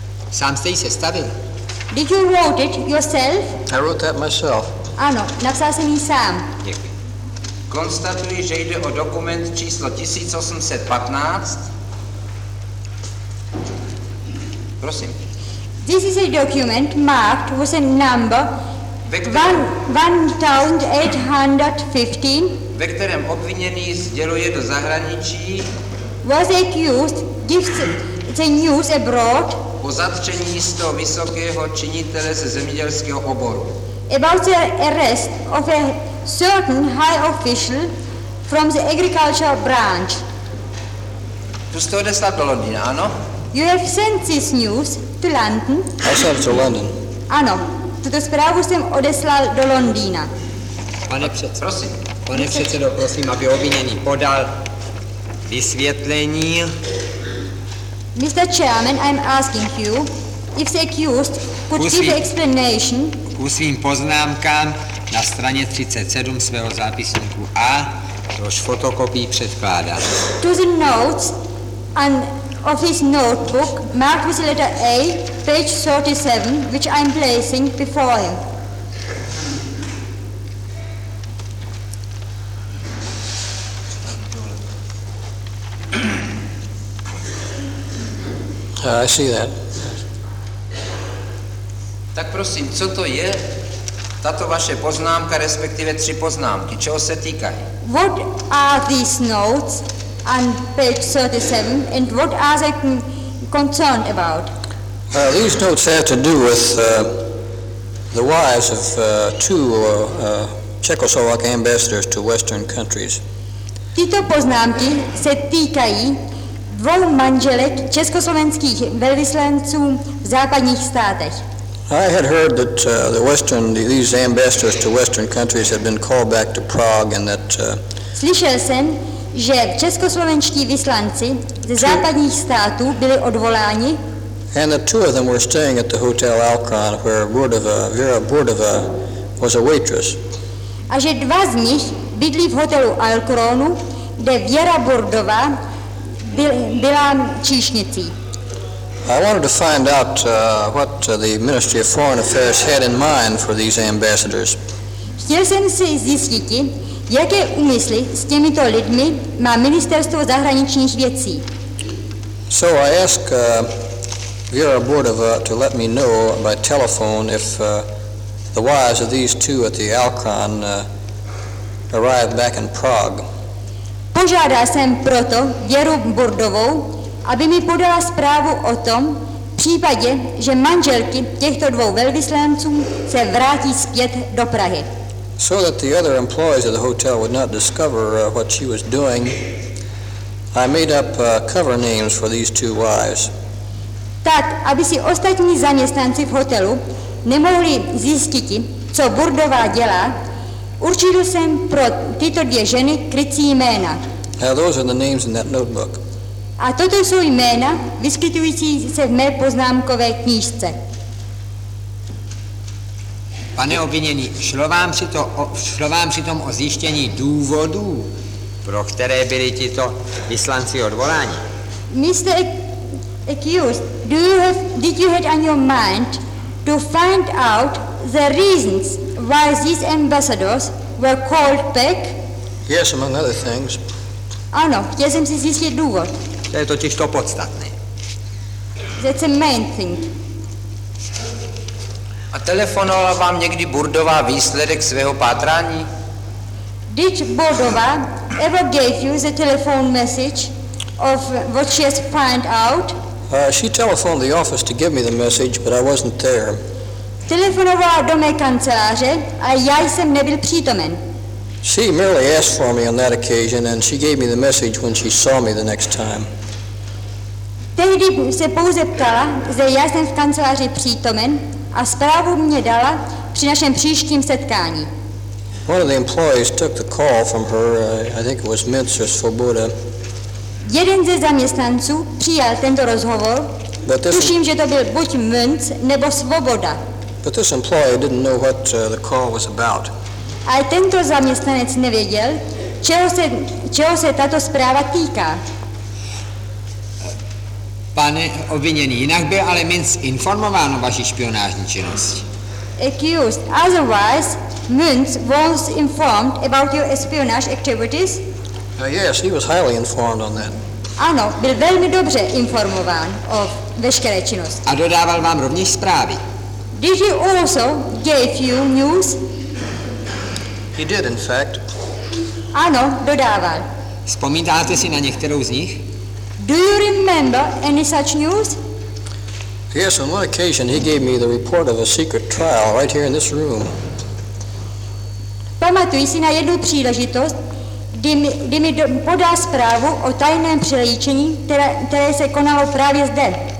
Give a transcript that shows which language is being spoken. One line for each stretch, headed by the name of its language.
Czech: Sám jste ji sestavil?
English: Did you write it yourself? I wrote that myself.
Czech: Ano, napsal jsem ji sám. Děkuji. Konstatuji, že jde o dokument číslo 1815. Prosím.
English: This is a document marked with a number 1815.
Czech: Ve kterém obviněný sděluje do zahraničí
English: was accused, gives the news abroad
Czech: o zatčení jistého vysokého činitele ze zemědělského oboru.
English: About the arrest of a certain high official from the agricultural branch.
Czech: Tu jste odeslal do Londýna, ano?
English: You have sent this news to London. I sent it to London.
Czech: Ano, tuto zprávu jsem odeslal do Londýna. Pane předsedo, prosím. Pane předsedo, prosím, aby obviněný podal vysvětlení.
English: Mr. Chairman, I'm asking you if the accused could give explanation.
Czech: Ku svým poznámkám na straně 37 svého zápisníku A, tož fotokopii předkládá.
English: To the notes and of his notebook marked with the letter A, page 37, which I'm placing before him. I see that.
Czech: Tak prosím, co to je tato vaše poznámka, respektive tři poznámky, čeho se týkají?
English: What are these notes on page 37 and what are they concerned about? These notes have to do with the wives of two Czechoslovak ambassadors to Western countries.
Czech: Tyto poznámky se týkají dvou manželek československých velvyslanců v západních státech.
English: I had heard that these ambassadors to Western countries had been called back to Prague and that
Czech: slyšel jsem, že českoslovenští vyslanci ze západních států byli odvoláni.
English: And that two of them were staying at the Hotel Alcon where Vera Bordova was a waitress.
Czech: A že dva z nich bydlí v hotelu Alcronu, kde Věra Bordová byla číšnicí.
English: I wanted to find out what the Ministry of Foreign Affairs had in mind for these ambassadors.
Czech: Chtěl jsem si zjistit, jaké úmysly s těmito lidmi má Ministerstvo zahraničních věcí.
English: So I asked Vera Bordova to let me know by telephone if the wives of these two at the Alcon arrived back in Prague.
Czech: Požádal jsem proto Věru Bordovou, aby mi podala zprávu o tom, v případě, že manželky těchto dvou velvyslanců se vrátí zpět do Prahy.
English: So that the other employees of the hotel would not discover what she was doing, I made up cover names for these two wives.
Czech: Tak, aby si ostatní zaměstnanci v hotelu nemohli zjistit, co Bordová dělá, určil jsem pro tyto dvě ženy krycí jména.
English: Now those are the names in that notebook.
Czech: A toto jsou jména vyskytující se v mé poznámkové knížce. Pane obvinění, šlo vám při tom o zjištění důvodů, pro které byli tito vyslanci odvoláni?
English: Mr. Accused, did you have on your mind to find out the reasons why these ambassadors were called back? Yes, among other things.
Czech: Ano, chtěl jsem si zjistit důvod. To je totiž to podstatné.
English: That's the main thing.
Czech: A telefonovala vám někdy Bordová výsledek svého pátrání?
English: Did Bordová ever gave you the telephone message of what she has found out? She telephoned the office to give me the message, but I wasn't there.
Czech: Telefonovala do mé kanceláře a já jsem nebyl přítomen.
English: She merely asked for me on that occasion, and she gave me the message when she saw me the next time.
Czech: Tehdy se pouze ptala, že já jsem v kanceláři přítomen, a zprávu mě dala při našem příštím setkání.
English: One of the employees took the call from her, I think it was Mr. Svoboda.
Czech: Jeden ze zaměstnanců přijal tento rozhovor, tuším, že to byl buď Münz nebo Svoboda.
English: But this employee didn't know what the call was about.
Czech: Ale tento zaměstnanec nevěděl, čeho se tato zpráva týká. Pane obviněný, jinak byl ale Münz informován o vaší špionážní činnosti.
English: Accused, otherwise, Münz was informed about your espionage activities? Yes, he was highly informed on that.
Czech: Ano, byl velmi dobře informován o veškeré činnosti. A dodával vám rovněž zprávy.
English: Did he also give you news? He did, in fact.
Czech: Ano, dodával. Vzpomínáte si na některou z nich?
English: Do you remember any such news? Yes, on one occasion he gave me the report of a secret trial right here in this room.
Czech: Pamatuji si na jednu příležitost, kdy mi podal zprávu o tajném přeléčení, které se konalo právě zde.